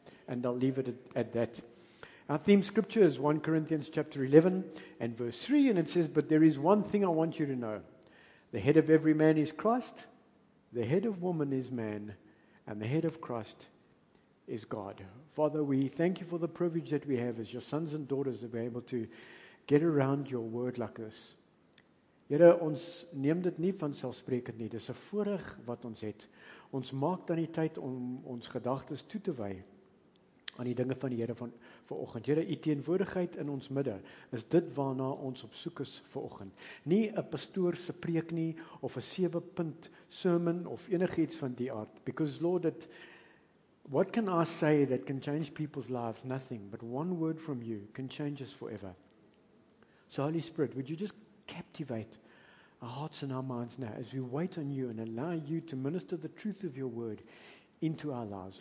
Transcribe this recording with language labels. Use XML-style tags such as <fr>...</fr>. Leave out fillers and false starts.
<en>And I'll leave it at that. Our theme scripture is 1 Corinthians chapter 11 and verse 3, and it says, but there is one thing I want you to know. The head of every man is Christ, the head of woman is man, and the head of Christ is God. Father, we thank you for the privilege that we have as your sons and daughters to be able to get around your word like this.</en> <af>Here, ons neem dit nie vanselfsprekend nie. Dis 'n voorreg wat ons het. Ons maak dan die tyd om ons gedagtes toe te wy aan die dinge van die Here van vanoggend. Here, u teenwoordigheid in ons midde is dit waarna ons op soek is vanoggend. Nie 'n pastoor se preek nie of 'n 7-punt sermon of enigiets van die aard.</af> <en>Because Lord, what can I say that can change people's lives? Nothing, but one word from you can change us forever. So Holy Spirit, would you just captivate our hearts and our minds now as we wait on you and allow you to minister the truth of your word into our lives.</en>